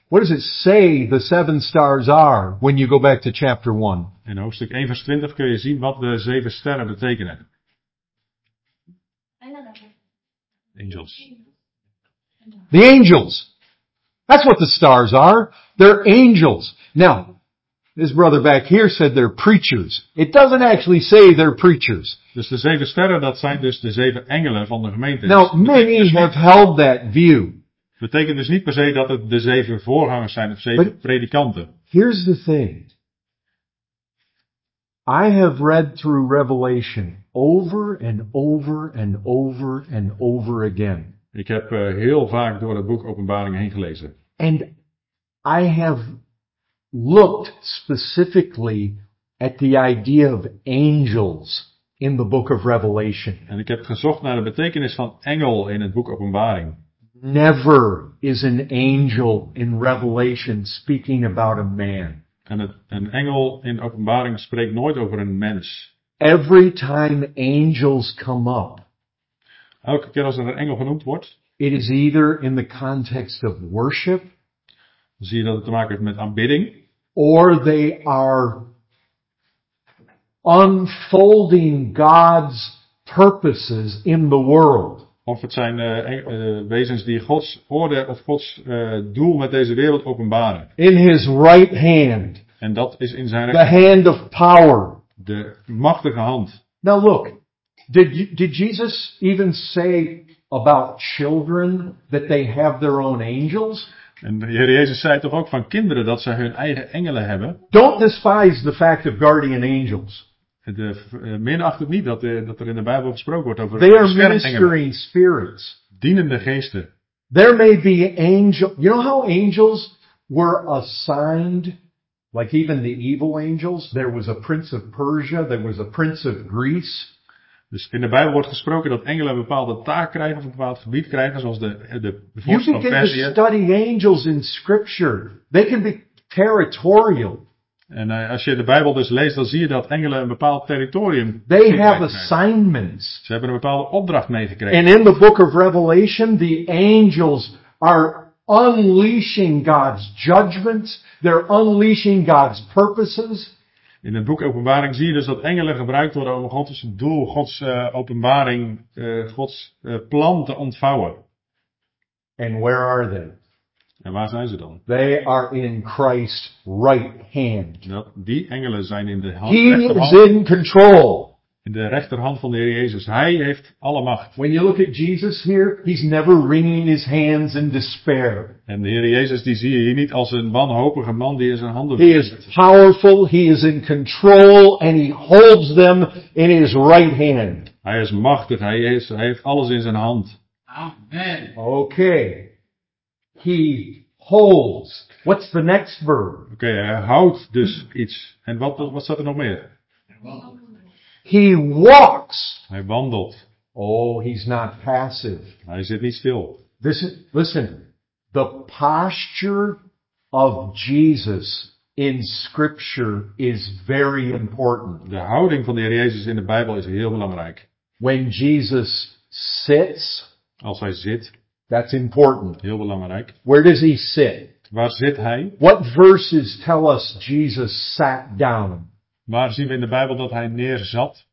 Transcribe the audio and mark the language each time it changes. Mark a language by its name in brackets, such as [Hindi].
[English] What does it say the seven stars are when you go back to chapter 1? [Dutch] In hoofdstuk 1 vers 20 kun je zien wat de zeven sterren betekenen. [English] Angels. The angels. That's what the stars are. They're angels. Now, this brother back here said they're preachers. It doesn't actually say they're preachers. [Dutch] Dus de zeven sterren, dat zijn dus de zeven engelen van de gemeente. [English] Now, many have held that view. [Dutch] Betekent dus niet per se dat het de zeven voorgangers zijn of zeven predikanten. [English] Here's the thing. I have read through Revelation over and over and over and over again. [Dutch] Ik heb heel vaak door het boek Openbaringen heen gelezen. [English] And I have looked specifically at the idea of angels in the book of Revelation. [Dutch] En ik heb gezocht naar de betekenis van engel in het boek Openbaring. [English] Never is an angel in Revelation speaking about a man. [Dutch] En een engel in Openbaring spreekt nooit over een mens. [English] Every time angels come up. [Dutch] Elke keer als er een engel genoemd wordt. [English] It is either in the context of worship. [Dutch] Dan zie je dat het te maken heeft met aanbidding. [English] Or they are unfolding God's purposes in the world. [Dutch] Of het zijn wezens die Gods orde of Gods doel met deze wereld openbaren. [English] In his right hand. [Dutch] En dat is in zijn rechterhand. [English] The hand of power. [Dutch] De machtige hand. [English] Now look, did Jesus even say about children that they have their own angels? [Dutch] En de Heer Jezus zei toch ook van kinderen dat ze hun eigen engelen hebben? [English] Don't despise the fact of guardian angels. [Dutch] Minacht het niet dat er in de Bijbel gesproken wordt over beschermengelen. Dienende geesten. [English] There may be angel. You know how angels were assigned, like even the evil angels. There was a prince of Persia. There was a prince of Greece. [Dutch] Dus in de Bijbel wordt gesproken dat engelen een bepaalde taak krijgen of een bepaald gebied krijgen, zoals de vorst van Persië. [English] You can get to study angels in Scripture. They can be territorial. [Dutch] En als je de Bijbel dus leest, dan zie je dat engelen een bepaald territorium krijgen. [English] They have assignments. [Dutch] Ze hebben een bepaalde opdracht meegekregen. [English] And in the book of Revelation, the angels are unleashing God's judgments. They're unleashing God's purposes. [Dutch] In het boek Openbaring zie je dus dat engelen gebruikt worden om Gods doel, Gods openbaring, Gods plan te ontvouwen. [English] And where are they? [Dutch] En waar zijn ze dan? [English] They are in Christ's right hand. [Dutch] Dat, die engelen zijn in de hand. [English] He is in control. [Dutch] In de rechterhand van de Heer Jezus. Hij heeft alle macht. [English] When you look at Jesus here, he's never wringing his hands in despair. [Dutch] En de Heer Jezus die zie je hier niet als een wanhopige man die in zijn handen. [English] He is powerful. He is in control, and he holds them in his right hand. [Dutch] Hij is machtig. Hij heeft alles in zijn hand. [English] Amen. Okay. He holds. What's the next verb? [Dutch] Okay, hij houdt dus iets. En wat staat er nog meer? [English] He walks. [Dutch] Hij wandelt. [English] Oh, he's not passive. [Dutch] Hij zit niet stil. [English] Listen, the posture of Jesus in Scripture is very important. [Dutch] De houding van de Heer Jezus in de Bijbel is heel belangrijk. [English] When Jesus sits. [Dutch] Als hij zit. [English] That's important. [Dutch] Heel belangrijk. [English] Where does he sit? [Dutch] Waar zit hij? [English] What verses tell us Jesus sat down? [Dutch] Waar zien we in de Bijbel dat hij neerzat?